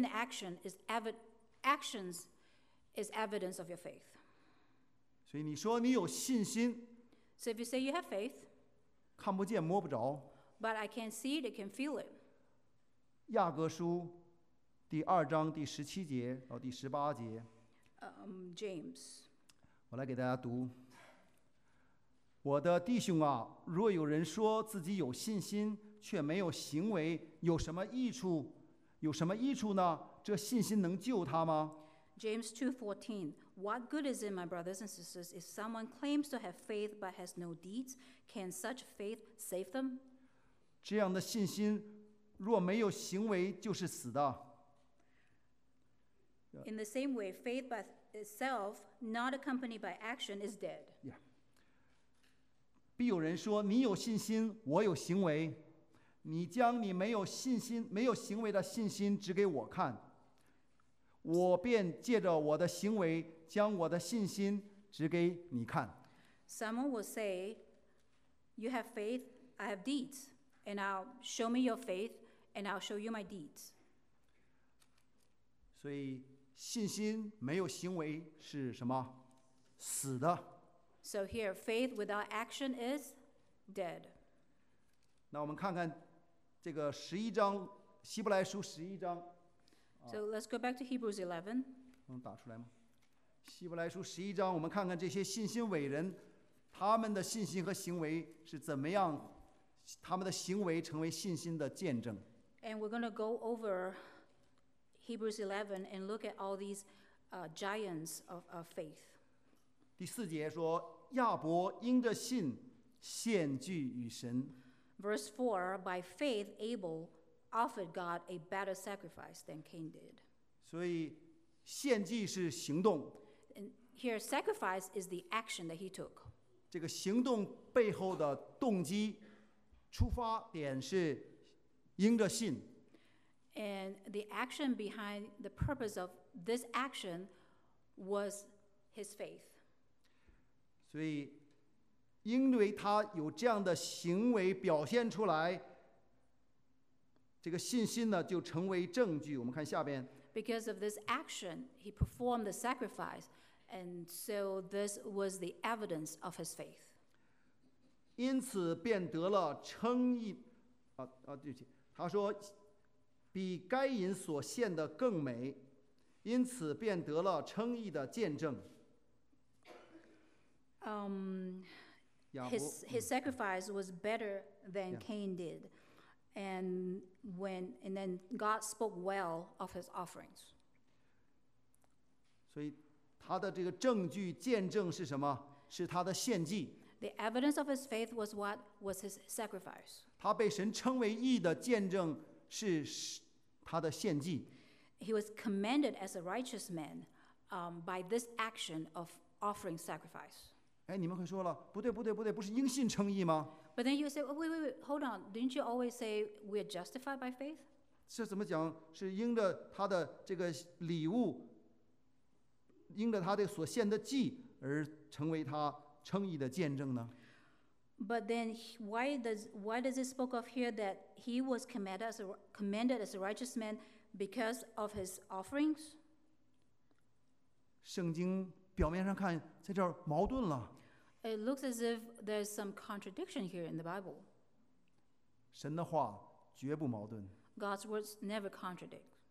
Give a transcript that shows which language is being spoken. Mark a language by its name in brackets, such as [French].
[English] Faith and actions is evidence of your faith. [Chinese] 所以你说你有信心。 [English] So if you say you have faith, [Chinese] 看不见摸不着。 [English] But I can see it, I can feel it. [Chinese] 雅各书第二章第十七节到第十八节。 [English] James. [Chinese] 我来给大家读。我的弟兄啊，若有人说自己有信心却没有行为，有什么益处？有什么益处呢？这信心能救他吗？ [English] James 2:14. What good is it, my brothers and sisters, if someone claims to have faith but has no deeds? Can such faith save them? [Chinese] 这样的信心若没有行为就是死的。 [English] In the same way, faith by itself, not accompanied by action, is dead. Yeah. [Chinese] 必有人说你有信心我有行为，你将你没有信心没有行为的信心指给我看，我便借着我的行为将我的信心指给你看。 [English] Someone will say, you have faith, I have deeds, and I'll show me your faith, and I'll show you my deeds. [Chinese] 所以信心没有行为是什么？死的。 [English] So here, faith without action is dead. [Chinese] 那我们看看这个十一章，希伯来书十一章。 [English] So let's go back to Hebrews 11. [Chinese] 能打出来吗？希伯来书十一章，我们看看这些信心伟人，他们的信心和行为是怎么样，他们的行为成为信心的见证。 [English] And we're going to go over Hebrews 11 and look at all these giants of faith. [Chinese] 第四节说，亚伯因着信献祭与神。 [English] Verse 4, by faith Abel offered God a better sacrifice than Cain did. [Chinese] 所以献祭是行动。 [English] And here sacrifice is the action that he took. [Chinese] 这个行动背后的动机出发点是因着信。 [English] And the action behind the purpose of this action was his faith. [Chinese] 所以因为他有这样的行为表现出来，这个信心呢就成为证据。我们看下边。 [English] Because of this action, he performed the sacrifice, and so this was the evidence of his faith. [Chinese] 因此便得了称义。对不起，他说比该隐所献的更美，因此便得了称义的见证。 [English] His sacrifice was better than Cain did, and then God spoke well of his offerings. [Chinese] 所以他的这个证据见证是什么？是他的献祭。 [English] The evidence of his faith was what was his sacrifice. [Chinese] 他被神称为义的见证是他的献祭。 [English] He was commended as a righteous man, by this action of offering sacrifice. [Chinese] 哎，你们会说了，不对，不对，不对，不是因信称义吗 [English] ？But then you say,、oh, wait, hold on. Didn't you always say we are justified by faith? [Chinese] 这怎么讲？是因着他的这个礼物，因着他的所献的祭而成为他称义的见证呢 [English] ？But then why does it spoke of here that he was commended as a righteous man because of his offerings? [Chinese] 圣经表面上看，在这儿矛盾了。 [English] It looks as if there's some contradiction here in the Bible. [Chinese] 神的话绝不矛盾。 [English] God's words never contradict.